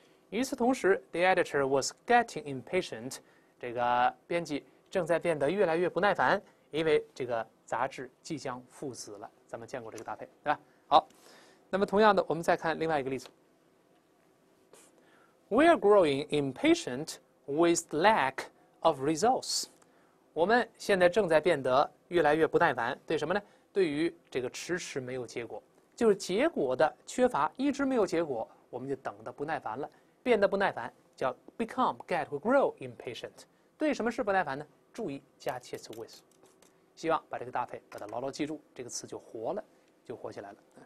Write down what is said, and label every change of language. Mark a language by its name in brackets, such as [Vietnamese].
[Chinese] 与此同时 ， [English] the editor was getting impatient， [Chinese] 这个编辑正在变得越来越不耐烦，因为这个杂志即将复子了。咱们见过这个搭配，对吧？好，那么同样的，我们再看另外一个例子。 [English] We are growing impatient with lack of results. [Chinese] 我们现在正在变得越来越不耐烦，对什么呢？对于这个迟迟没有结果，就是结果的缺乏，一直没有结果，我们就等得不耐烦了，变得不耐烦，叫 [English] become, get, or grow impatient. [Chinese] 对什么事不耐烦呢？注意加介词 with， 希望把这个搭配把它牢牢记住，这个词就活了。就火起来了。